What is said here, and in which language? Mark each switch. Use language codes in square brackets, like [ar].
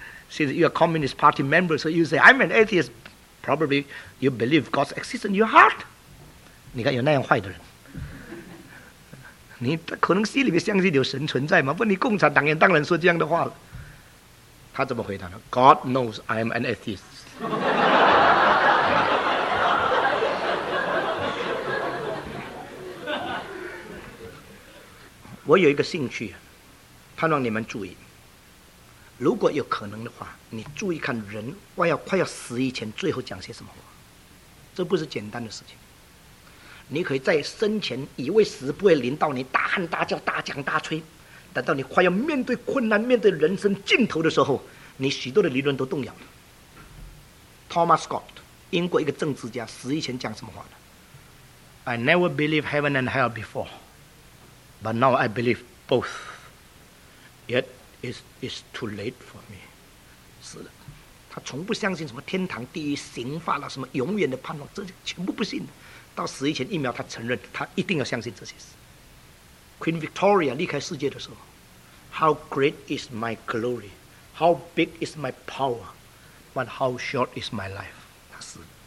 [en] Since you are Communist Party member, so you say, I'm an atheist. Probably you believe God exists in your heart. [zh] 你看有那样坏的人。你可能心里面相信有神存在吗？问你共产党员当然说这样的话了。他怎么回答呢？ [en] God knows I am an atheist. [zh] 我有一个兴趣，盼望你们注意。如果有可能的话，你注意看人快要死以前最后讲些什么话，这不是简单的事情。你可以在生前以为死不会临到你，大喊大叫大讲大吹，等到你快要面对困难面对人生尽头的时候，你许多的理论都动摇了。 Thomas Scott， 英国一个政治家，死以前讲什么话呢？ [en] I never believed heaven and hell before， but now I believe both， yetIt's too late for me. [zh] 是的，他从不相信什么天堂地狱刑罚了什么永远的盼望，这些全部不信。到死以前一秒，他承认他一定要相信这些事。 [en] Queen Victoria [zh] 离开世界的时候 [en] ，How great is my glory? How big is my power? But how short is my life? [zh] 他死了。